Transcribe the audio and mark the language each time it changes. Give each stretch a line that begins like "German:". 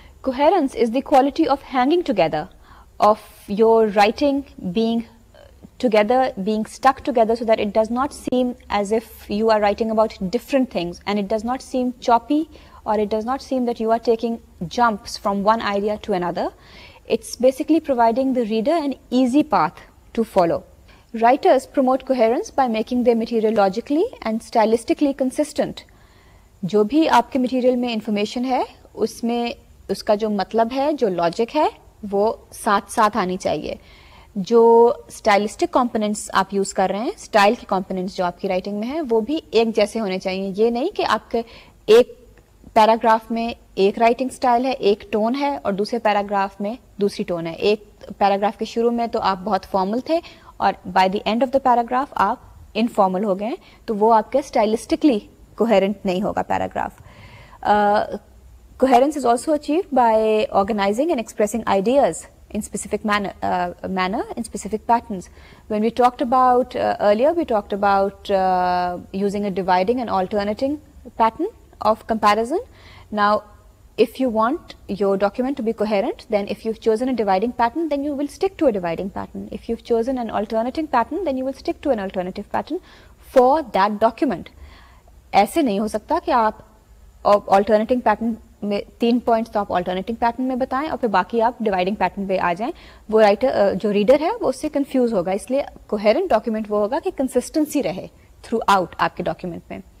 English: Coherence is the quality of hanging together, of your writing being together, being stuck together, so that it does not seem as if you are writing about different things, and it does not seem choppy, or it does not seem that you are taking jumps from one idea to another. It's basically providing the reader an easy path to follow. Writers promote coherence by making their material logically and stylistically consistent.
Urdu: جو بھی آپ کے material میں information ہے اس میں اس کا جو مطلب ہے جو لاجک ہے وہ ساتھ ساتھ آنی چاہیے جو اسٹائلسٹک کمپوننٹس آپ یوز کر رہے ہیں اسٹائل کے کمپوننٹس جو آپ کی رائٹنگ میں ہیں وہ بھی ایک جیسے ہونے چاہیے یہ نہیں کہ آپ کے ایک پیراگراف میں ایک رائٹنگ اسٹائل ہے ایک ٹون ہے اور دوسرے پیراگراف میں دوسری ٹون ہے ایک پیراگراف کے شروع میں تو آپ بہت فارمل تھے اور
English: by the end of the paragraph
Urdu: آپ انفارمل ہو گئے تو وہ آپ کے اسٹائلسٹکلی coherent نہیں ہوگا paragraph.
English: Coherence is also achieved by organizing and expressing ideas in specific manner, in specific patterns. When we talked about earlier, we talked about using a dividing and alternating pattern of comparison. Now, if you want your document to be coherent, then if you've chosen a dividing pattern, then you will stick to a dividing pattern. If you've chosen an alternating pattern, then you will stick to an alternative pattern for that document.
Urdu: ایسے نہیں ہو سکتا کہ آپ alternating pattern میں تین points تو آپ alternating pattern میں بتائیں اور پھر باقی آپ ڈیوائڈنگ پیٹرن پہ آ جائیں وہ رائٹر جو ریڈر ہے وہ اس سے کنفیوز ہوگا اس لیے کوہیرنٹ ڈاکیومنٹ وہ ہوگا کہ کنسسٹنسی رہے تھرو آؤٹ آپ کے ڈاکیومنٹ میں